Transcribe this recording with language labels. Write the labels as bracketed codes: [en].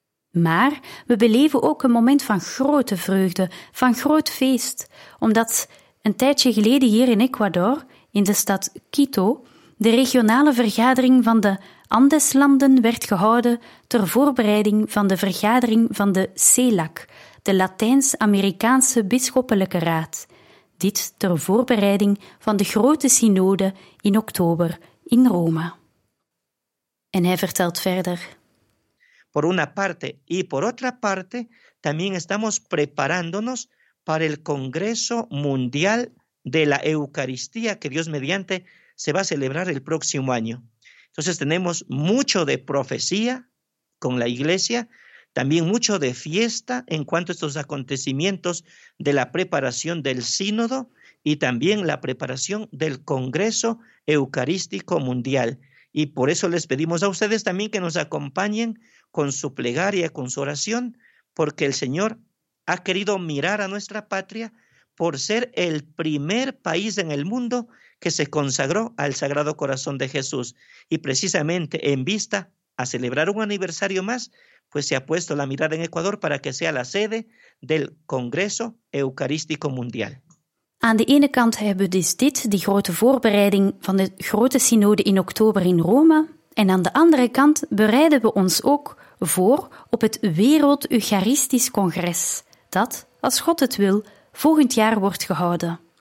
[nl] Maar we beleven ook een moment van grote vreugde, van groot feest, omdat een tijdje geleden hier in Ecuador, in de stad Quito, de regionale vergadering van de Andeslanden werd gehouden ter voorbereiding van de vergadering van de CELAC, de Latijns-Amerikaanse Bisschoppelijke Raad. Dit ter voorbereiding van de grote synode in oktober in Rome. En hij vertelt verder: [es] por una parte y por otra parte, también estamos preparándonos para el Congreso Mundial de la Eucaristía que Dios mediante se va a celebrar el próximo año. Entonces tenemos mucho de profecía con la iglesia, también mucho de fiesta en cuanto a estos acontecimientos de la preparación del sínodo y también la preparación del Congreso Eucarístico Mundial. Y por eso les pedimos a ustedes también que nos acompañen con su plegaria, con su oración, porque el Señor ha querido mirar a nuestra patria por ser el primer país en el mundo que se consagró al Sagrado Corazón de Jesús. Y precisamente en vista a celebrar un aniversario más, pues se ha puesto la mirada en Ecuador para que sea la sede del Congreso Eucarístico Mundial. [nl] Aan de ene kant hebben we dus dit, die grote voorbereiding van de grote synode in oktober in Rome. En aan de andere kant bereiden we ons ook voor op het Wereld Eucharistisch Congres, dat, als God het wil, volgend jaar wordt gehouden.